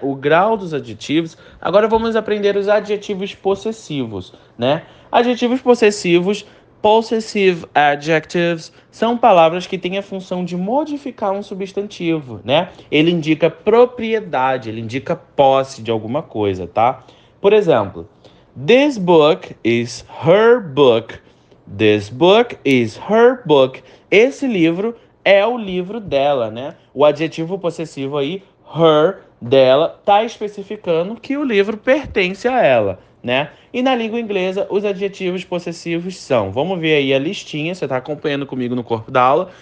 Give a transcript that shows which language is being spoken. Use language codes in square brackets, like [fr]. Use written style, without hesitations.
[pt] O grau dos adjetivos. Agora vamos aprender os adjetivos possessivos, né? Adjetivos possessivos. Possessive adjectives são palavras que têm a função de modificar um substantivo, né? Ele indica propriedade, ele indica posse de alguma coisa, tá? Por exemplo, [en] this book is her book. This book is her book. [pt] Esse livro é o livro dela, né? O adjetivo possessivo aí, her, dela, tá especificando que o livro pertence a ela. Né? E na língua inglesa, os adjetivos possessivos são. Vamos ver aí a listinha, você está acompanhando comigo no corpo da aula.